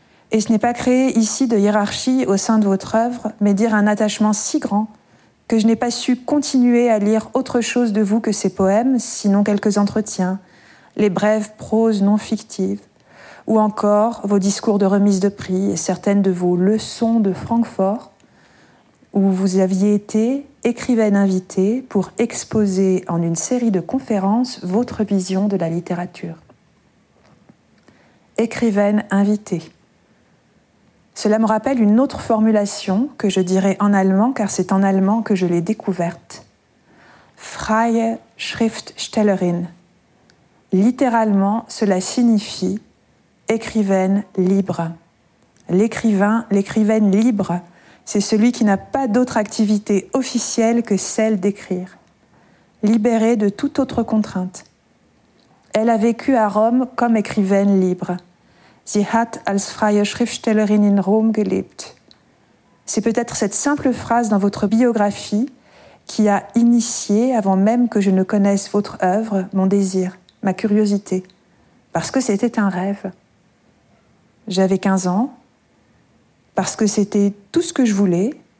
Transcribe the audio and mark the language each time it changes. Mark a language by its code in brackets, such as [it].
[fr] Et ce n'est pas créer ici de hiérarchie au sein de votre œuvre, mais dire un attachement si grand que je n'ai pas su continuer à lire autre chose de vous que ces poèmes, sinon quelques entretiens, les brèves proses non fictives, ou encore vos discours de remise de prix et certaines de vos leçons de Francfort, où vous aviez été écrivaine invitée pour exposer en une série de conférences votre vision de la littérature. Écrivaine invitée. Cela me rappelle une autre formulation que je dirai en allemand, car c'est en allemand que je l'ai découverte. [de] Freie Schriftstellerin. [fr] Littéralement, cela signifie écrivaine libre. L'écrivain, l'écrivaine libre, c'est celui qui n'a pas d'autre activité officielle que celle d'écrire, libérée de toute autre contrainte. Elle a vécu à Rome comme écrivaine libre. [de] Sie hat als freie Schriftstellerin in Rom gelebt. [fr] C'est peut-être cette simple phrase dans votre biographie qui a initié, avant même que je ne connaisse votre œuvre, mon désir, ma curiosité, parce que c'était un rêve. J'avais 15 ans, parce que c'était tout ce que je voulais.